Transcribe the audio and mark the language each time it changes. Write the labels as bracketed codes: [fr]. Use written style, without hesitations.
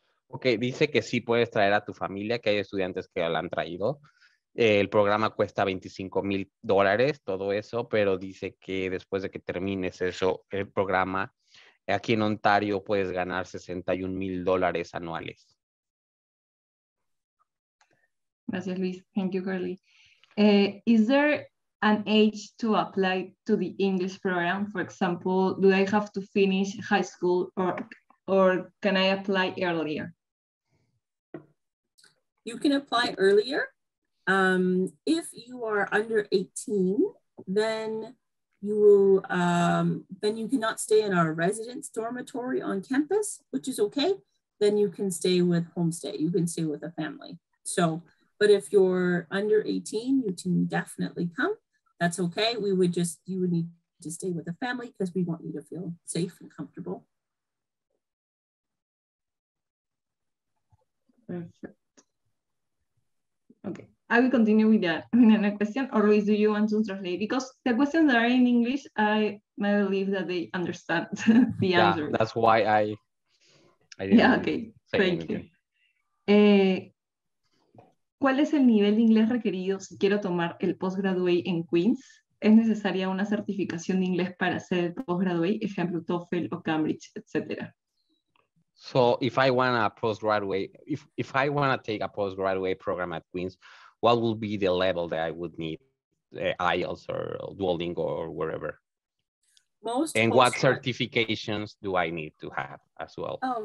[es] Okay, dice que sí puedes traer a tu familia, que hay estudiantes que la han traído. El programa cuesta $25,000, todo eso, pero dice que después de que termines eso, el programa, aquí en Ontario puedes ganar $61,000 anuales. Gracias, Luis. [en] Thank you, Carly. Is there an age to apply to the English program? For example, do I have to finish high school or can I apply earlier? You can apply earlier. If you are under 18, then you will, then you cannot stay in our residence dormitory on campus, which is okay. Then you can stay with homestay. You can stay with a family. So, but if you're under 18, you can definitely come. That's okay. You would need to stay with the family because we want you to feel safe and comfortable. Okay. I will continue with that. Another question, or Luis, do you want to translate? Because the questions that are in English, I may believe that they understand the yeah, answer. That's why I didn't. Yeah, okay. Thank you. [es] ¿Cuál es el nivel de inglés requerido si quiero tomar el postgraduate en Queens? ¿Es necesaria una certificación de inglés para hacer el postgraduate, ejemplo TOEFL o Cambridge, etcétera? [en] So if I want a postgraduate, if I want to take a postgraduate program at Queens, what would be the level that I would need, IELTS or Duolingo or wherever? What certifications do I need to have as well?